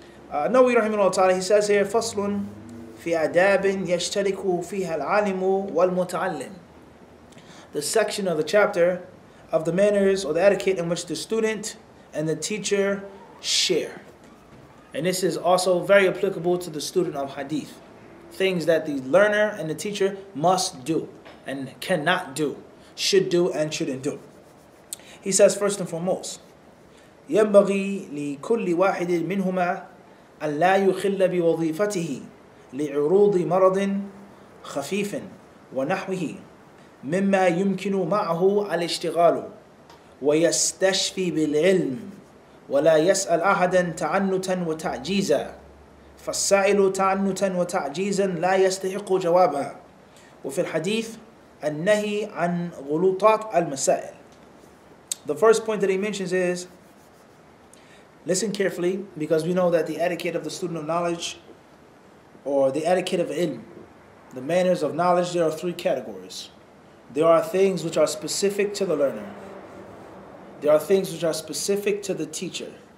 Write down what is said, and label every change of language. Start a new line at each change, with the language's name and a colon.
English: Nawawi rahimahullah ta'ala, he says here,
Arabic: فَصْلٌ فِي أَدَابٍ يَشْتَرِكُ فِيهَا الْعَالِمُ وَالْمُتَعَلِّمُ,
English: the section of the chapter of the manners or the etiquette in which the student and the teacher share. And this is also very applicable to the student of hadith. Things that the learner and the teacher must do and cannot do, should do and shouldn't do. He says, first and foremost,
Arabic: يَنْبَغِي لِكُلِّ وَاحِدٍ مِنْهُمَا أَلَّا يُخِلَّ بِوَظِيفَتِهِ لِعُرُوضِ مَرَضٍ خَفِيفٍ وَنَحْوِهِ مِمَّا يُمْكِنُ مَعَهُ الْإِشْتِغَالُ وَيَسْتَشْفِي بِالْعِلْمِ وَلَا يَسْأَلْ أَحَدًا تَعَنُّتًا وَتَعْجِيزًا فالسائل تعنتا وتعجيزا لا يستحق جوابا. وفي الحديث النهي عن غلوطات المسائل.
English: The first point that he mentions is, listen carefully, because we know that the etiquette of the student of knowledge, or the etiquette of ilm, the manners of knowledge, there are three categories. There are things which are specific to the learner. There are things which are specific to the teacher.